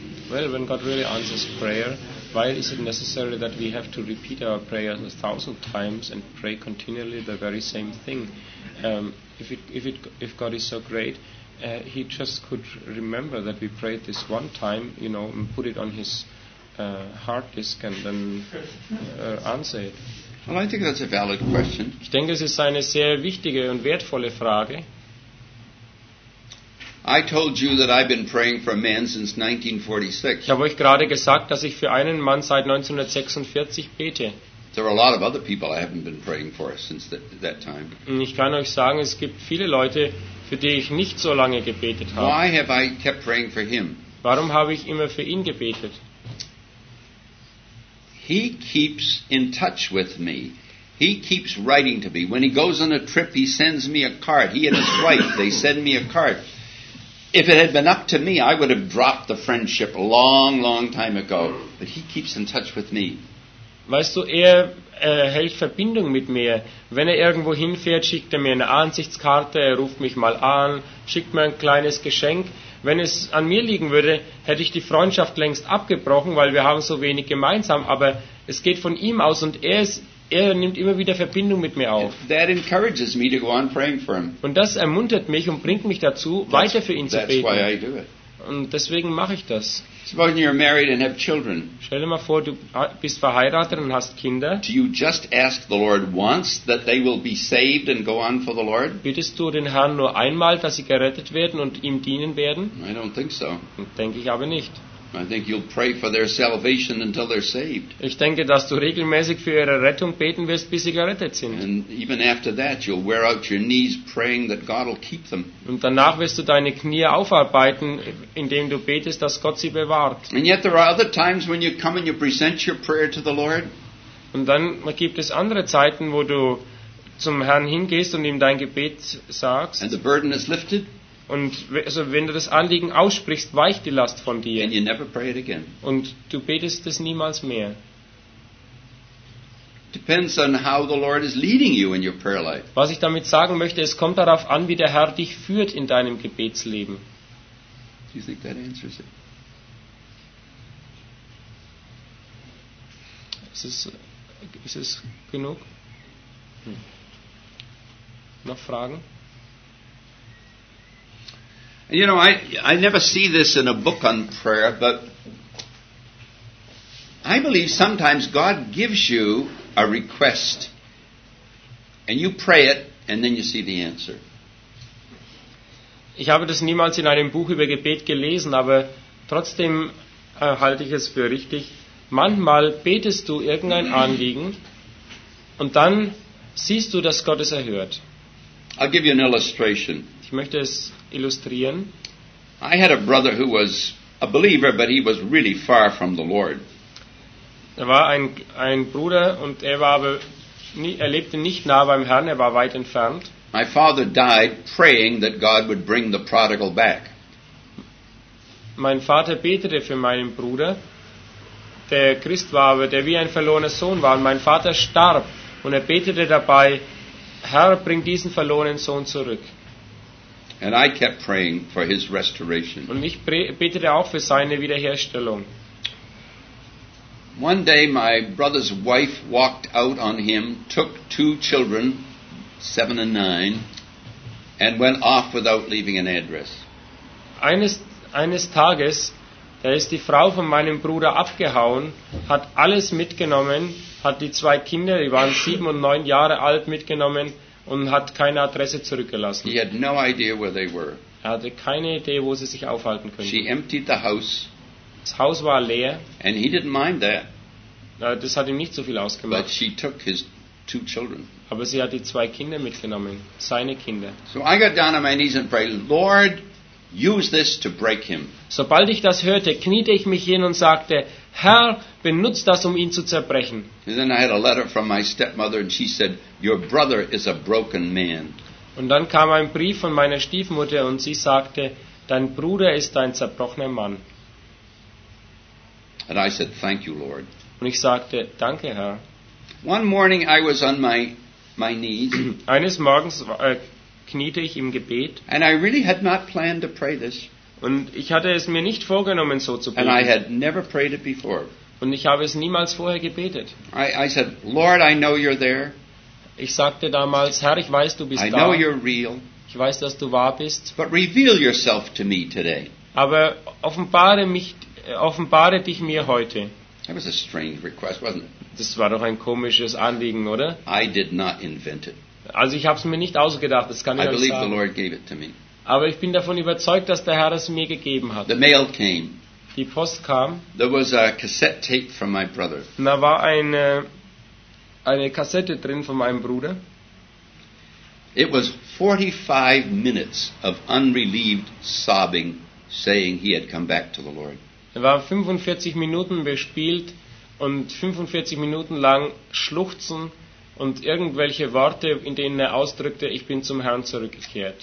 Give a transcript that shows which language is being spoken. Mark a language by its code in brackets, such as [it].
[en] Well, when God really answers prayer, why is it necessary that we have to repeat our prayers a thousand times and pray continually the very same thing? If God is so great, he just could remember that we prayed this one time, you know, and put it on his hard disk and then answer it. Well, I think that's a valid question. [de] Ich denke, es ist eine sehr wichtige und wertvolle Frage. [en] I told you that I've been praying for a man since 1946. [de] Ich habe euch gerade gesagt, dass ich für einen Mann seit 1946 bete. [en] There are a lot of other people I haven't been praying for since that time. [de] Ich kann euch sagen, es gibt viele Leute, für die ich nicht so lange gebetet habe. [en] Why have I kept praying for him? [de] Warum habe ich immer für ihn gebetet? [en] He keeps in touch with me. He keeps writing to me. When he goes on a trip, he sends me a card. He and his wife, they send me a card. If it had been up to me, I would have dropped the friendship a long, long time ago. But he keeps in touch with me. [de] Weißt du, hält Verbindung mit mir. Wenn irgendwo hinfährt, schickt mir eine Ansichtskarte, ruft mich mal an, schickt mir ein kleines Geschenk. Wenn es an mir liegen würde, hätte ich die Freundschaft längst abgebrochen, weil wir haben so wenig gemeinsam. Aber es geht von ihm aus und er nimmt immer wieder Verbindung mit mir auf. [en] That encourages me to go on praying for him. [de] Und das ermuntert mich und bringt mich dazu, weiter für ihn zu beten. [en] That's why I do it. [de] Und deswegen mache ich das. [en] Suppose you're married and have children. [de] Stell dir mal vor, du bist verheiratet und hast Kinder. [en] Do you just ask the Lord once that they will be saved and go on for the Lord? [de] Bittest du den Herrn nur einmal, dass sie gerettet werden und ihm dienen werden? [en] I don't think so. [de] Denke ich aber nicht. [en] I think you'll pray for their salvation until they're saved. [de] Ich denke, dass du regelmäßig für ihre Rettung beten wirst, bis sie gerettet sind. [en] And even after that, you'll wear out your knees praying that God will keep them. [de] Und danach wirst du deine Knie aufarbeiten, indem du betest, dass Gott sie bewahrt. [en] And yet there are other times when you come and you present your prayer to the Lord. [de] Und dann gibt es andere Zeiten, wo du zum Herrn hingehst und ihm dein Gebet sagst. [en] And the burden is lifted. [de] Und also wenn du das Anliegen aussprichst, weicht die Last von dir. [en] And you never pray it again. [de] Und du betest es niemals mehr. [en] Depends on how the Lord is leading you in your prayer life. [de] Was ich damit sagen möchte, es kommt darauf an, wie der Herr dich führt in deinem Gebetsleben. [en] Do you think that answers it? [de] Ist es genug? Noch Fragen? [en] You know, I never see this in a book on prayer, but I believe sometimes God gives you a request and you pray it and then you see the answer. [de] Ich habe das niemals in einem Buch über Gebet gelesen, aber trotzdem halte ich es für richtig. Manchmal betest du irgendein Anliegen und dann siehst du, dass Gott es erhört. [en] I'll give you an illustration. [de] Ich möchte es illustrieren. [en] I had a brother who was a believer, but he was really far from the Lord. [de] Er war ein Bruder und er war aber nie, er lebte nicht nah beim Herrn, er war weit entfernt. [en] My father died praying that God would bring the prodigal back. [de] Mein Vater betete für meinen Bruder, der Christ war, aber der wie ein verlorener Sohn war. Und mein Vater starb und er betete dabei, Herr, bring diesen verlorenen Sohn zurück. [en] And I kept praying for his restoration. [de] Und ich betete auch für seine Wiederherstellung. [en] One day my brother's wife walked out on him, took two children, 7 and 9, and went off without leaving an address. [de] Eines Tages, da ist die Frau von meinem Bruder abgehauen, hat alles mitgenommen, hat die zwei Kinder, die waren 7 und 9 Jahre alt, mitgenommen und hat keine Adresse zurückgelassen. [en] He had no idea where they were. [de] Er hatte keine Idee, wo sie sich aufhalten könnten. [en] She emptied the house. [de] Das Haus war leer. [en] And he didn't mind that. [de] Das hat ihm nicht so viel ausgemacht. [en] But she took his two children. [de] Aber sie hat die zwei Kinder mitgenommen, seine Kinder. [en] So I got down on my knees and prayed, Lord, use this to break him. [de] Sobald ich das hörte, kniete ich mich hin und sagte, Herr, benutzt das, um ihn zu zerbrechen. [en] And then I had a letter from my stepmother and she said, your brother is a broken man. [de] Und dann kam ein Brief von meiner Stiefmutter und sie sagte, dein Bruder ist ein zerbrochener Mann. [en] And I said, thank you, Lord. [de] Und ich sagte, danke, Herr. [en] One morning I was on my knees. [de] Eines Morgens kniete ich im Gebet. [en] And I really had not planned to pray this. [de] Und ich hatte es mir nicht vorgenommen, so zu beten. [en] And I had never prayed it before. [de] Und ich habe es niemals vorher gebetet. [en] I said, Lord, I know you're there. [de] Ich sagte damals, Herr, ich weiß, du bist [en] I [de] da. [en] I know you're real. [de] Ich weiß, dass du wahr bist. [en] But reveal yourself to me today. [de] Aber offenbare dich mir heute. [en] That was a strange request, wasn't it? [de] Das war doch ein komisches Anliegen, oder? [en] I did not invent it. [de] Also ich habe es mir nicht ausgedacht, das kann ich euch sagen. [en] I believe the Lord gave it to me. [de] Aber ich bin davon überzeugt, dass der Herr es mir gegeben hat. [en] The mail came. [de] Die Post kam. [en] There was a cassette tape from my brother. [de] Da war eine Kassette drin von meinem Bruder. [en] It was 45 minutes of unrelieved sobbing, saying he had come back to the Lord. [de] Er war 45 Minuten bespielt und 45 Minuten lang schluchzen und irgendwelche Worte, in denen er ausdrückte, ich bin zum Herrn zurückgekehrt.